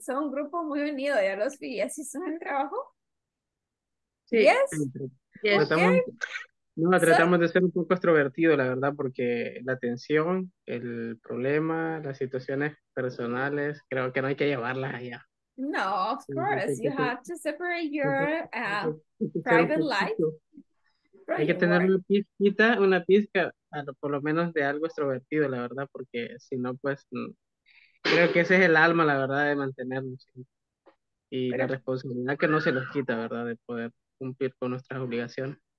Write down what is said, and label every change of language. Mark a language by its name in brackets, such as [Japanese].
[Spanish] Son un grupo muy unido, ya los vi. ¿Así son el trabajo? Sí. [English] Yes. [Spanish] Tratamos, [English] okay. [Spanish] No, tratamos de ser un poco extrovertido, la verdad, porque la tensión, el problema, las situaciones personales, creo que no hay que llevarlas allá. [English] No, of course, you have to separate your private life. Right. [Spanish] Hay que tener una pizquita, una pizca, por lo menos de algo extrovertido, la verdad, porque si no, pues, creo que ese es el alma, la verdad, de mantenernos. ¿Sí? Y pero, la responsabilidad que no se nos quita, ¿verdad?, de poder cumplir con nuestras obligaciones.